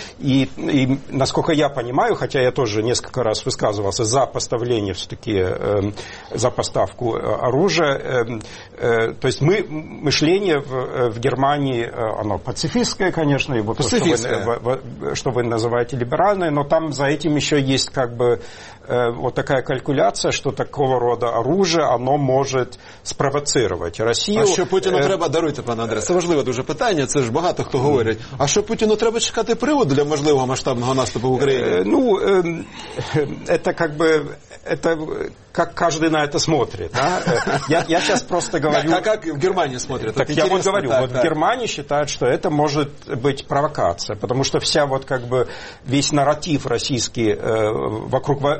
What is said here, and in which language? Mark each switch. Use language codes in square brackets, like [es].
[ru] И насколько я понимаю, хотя я тоже несколько раз высказывался за поставление все-таки, за поставку оружия, то есть мы, мышление в Германии, оно пацифистское, конечно, и вот пацифистское. Что вы называете либеральное, но там за этим еще есть как бы вот такая калькуляция, что такого рода оружие, оно может спровоцировать Россию. А что Путину [uk] треба, даруйте, пан Андрес, это важливо дуже питання, це ж багато хто говорить. А що Путіну треба чекати приводу для можливого масштабного наступу в Україні? [ru] Ну, это как бы, это как каждый на это смотрит. Да? Я сейчас просто говорю... А как в Германии смотрят? Так я вот говорю, так, вот да. В Германии считают, что это может быть провокация, потому что вся вот как бы весь нарратив российский вокруг